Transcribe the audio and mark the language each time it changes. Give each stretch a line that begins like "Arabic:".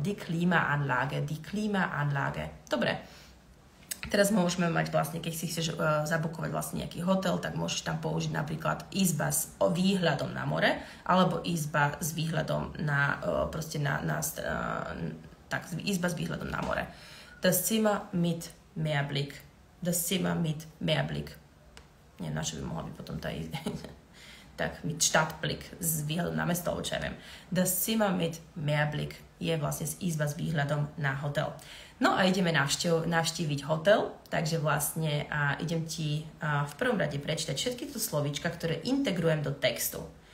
German: Die Klimaanlage, die Klimaanlage.
Slovak: Dobre. Teraz môžeme mať vlastne, keď si chceš zabukovať vlastne nejaký hotel, tak môžeš tam použiť napríklad izba s výhľadom na more, alebo izba s výhľadom na, proste na tak, izba s výhľadom na more.
German: Das Zimmer mit Meerblick. Das Zimmer mit Meerblick.
Slovak: Nie, na čo by mohla byť potom tá izba. Tak,
German: mit Stadtblick,
Slovak: s výhľadom na mesto, čo ja viem.
German: Das Zimmer mit Meerblick
Slovak: je vlastne izba s výhľadom na hotel. No a ideme navštíviť hotel, takže vlastne a idem ti a v prvom rade prečítať všetky tie slovíčka, ktoré integrujem do textu.